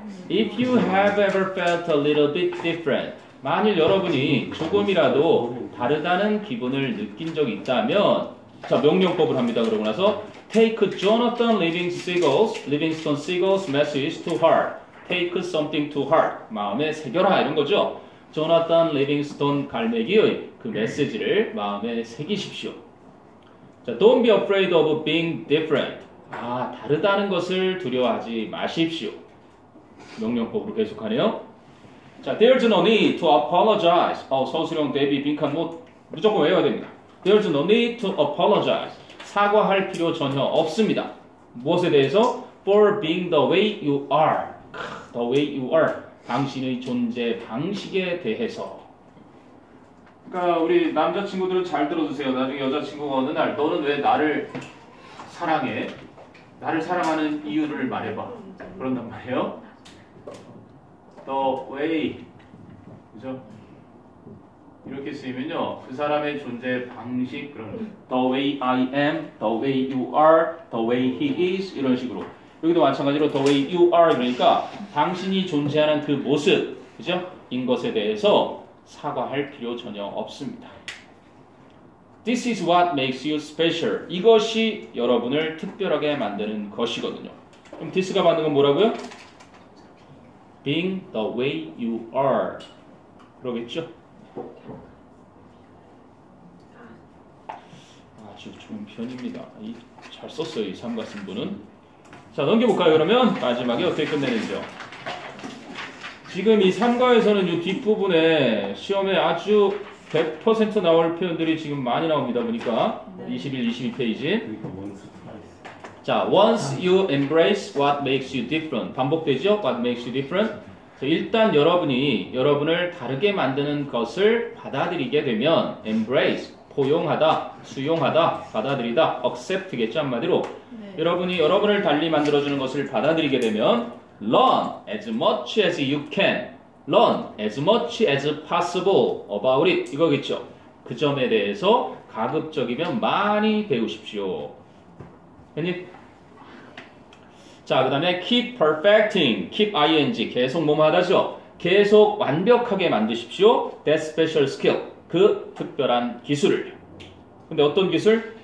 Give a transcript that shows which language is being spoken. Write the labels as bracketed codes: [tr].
[en] If you have ever felt a little bit different, [ko] 만일 여러분이 조금이라도 다르다는 기분을 느낀 적 있다면, 자, 명령법을 합니다. 그러고 나서 [en] Take Jonathan Livingston Seagull's message to heart. Take something to heart. [ko] 마음에 새겨라, 이런 거죠. Jonathan Livingston 갈매기의 그 메시지를 마음에 새기십시오. [en] 자, Don't be afraid of being different. [ko] 아, 다르다는 것을 두려워하지 마십시오. 명령법으로 계속하네요. [en] 자, There's no need to apologize. [ko] 어, 서수령 대비 빈칸 못 무조건 외워야 됩니다. [en] There's no need to apologize. [ko] 사과할 필요 전혀 없습니다. 무엇에 대해서? [en] For being the way you are. The way you are. [ko] 당신의 존재 방식에 대해서. 그러니까 우리 남자친구들은 잘 들어주세요. 나중에 여자친구가 어느 날 너는 왜 나를 사랑해? 나를 사랑하는 이유를 말해봐. 그런단 말이에요. The way. 그죠? 이렇게 쓰이면요, 그 사람의 존재 방식, 그런 [en] the way I am, the way you are, the way he is, [ko] 이런 식으로. 여기도 마찬가지로 [en] the way you are, [ko] 그러니까 당신이 존재하는 그 모습, 그죠? 인 것에 대해서 사과할 필요 전혀 없습니다. [en] This is what makes you special. [ko] 이것이 여러분을 특별하게 만드는 것이거든요. 그럼 this가 받는 건 뭐라고요? [en] Being the way you are. [ko] 그러겠죠? 아주 좋은 편입니다. 이, 잘 썼어요, 이 삼가쓴 분은. 자, 넘겨볼까요, 그러면? 마지막에 어떻게 끝내는지요? 지금 이 삼가에서는 이 뒷부분에 시험에 아주 100% 나올 표현들이 지금 많이 나옵니다, 보니까. 네. 21, 22페이지. [en] 자, once you embrace what makes you different. [ko] 반복되죠? [en] What makes you different? [ko] 일단 여러분이 여러분을 다르게 만드는 것을 받아들이게 되면 embrace, 포용하다, 수용하다, 받아들이다, accept겠죠 한마디로. 네. 여러분이 여러분을 달리 만들어주는 것을 받아들이게 되면 [en] learn as much as you can, learn as much as possible about it, [ko] 이거겠죠. 그 점에 대해서 가급적이면 많이 배우십시오. 회님? 자, 그 다음에 [en] keep perfecting, keep ing, [ko] 계속 뭐뭐 하다죠? 계속 완벽하게 만드십시오. [en] That special skill, [ko] 그 특별한 기술을. 근데 어떤 기술?